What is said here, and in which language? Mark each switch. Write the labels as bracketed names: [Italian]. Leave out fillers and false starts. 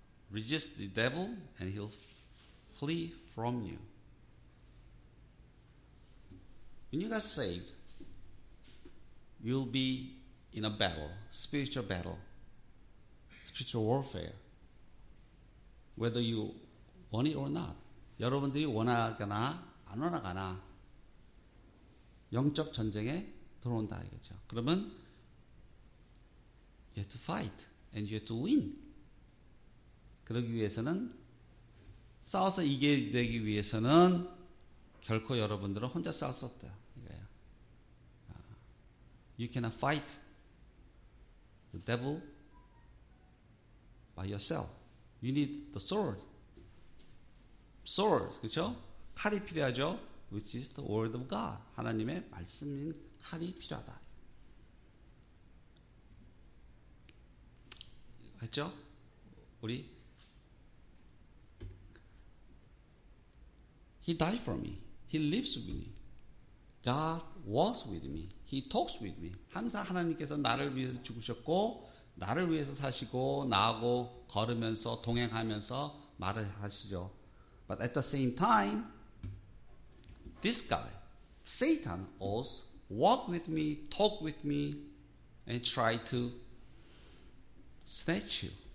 [English] Resist the devil, and he'll flee from you. When you got saved, you'll be in a battle, spiritual warfare, whether you want it or not. [Korean] 여러분들이 원하거나 안 원하거나 영적 전쟁에 들어온다 이거죠. [English] 그러면 you have to fight and you have to win. [Korean] 그러기 위해서는 싸워서 이기기 위해서는 결코 여러분들은 혼자 싸울 수 없다. [English] You cannot fight the devil by yourself. You need the sword. Sword, [Korean] 그렇죠? 칼이 필요하죠? [English] Which is the word of God. [Korean] 하나님의 말씀인 칼이 필요하다. 했죠? 우리 [English] He died for me. He lives with me. God walks with me. He talks with me. [Korean] 항상 하나님께서 나를 위해서 죽으셨고 나를 위해서 사시고 나하고 걸으면서 동행하면서 말을 하시죠. [English] But at the same time, this guy, Satan, also walk with me, talk with me, and try to snatch you.